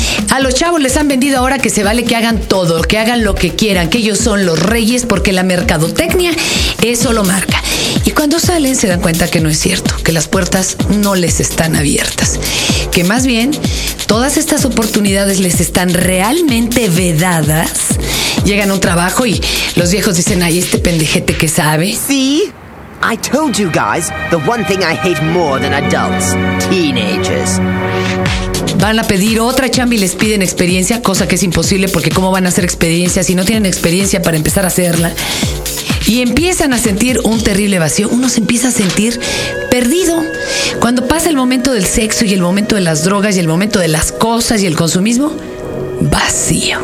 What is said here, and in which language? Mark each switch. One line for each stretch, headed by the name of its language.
Spanish: A los chavos les han vendido ahora que se vale que hagan todo, que hagan lo que quieran, que ellos son los reyes, porque la mercadotecnia eso lo marca. Y cuando salen se dan cuenta que no es cierto, que las puertas no les están abiertas, que más bien todas estas oportunidades les están realmente vedadas. Llegan a un trabajo y los viejos dicen: ay, este pendejete que sabe.
English: Sí, I told you guys, the one thing I hate more than adults, teenagers.
Spanish: Van a pedir otra chamba y les piden experiencia, cosa que es imposible, porque ¿cómo van a hacer experiencia si no tienen experiencia para empezar a hacerla? Y empiezan a sentir un terrible vacío. Uno se empieza a sentir perdido. Cuando pasa el momento del sexo y el momento de las drogas y el momento de las cosas y el consumismo, vacío,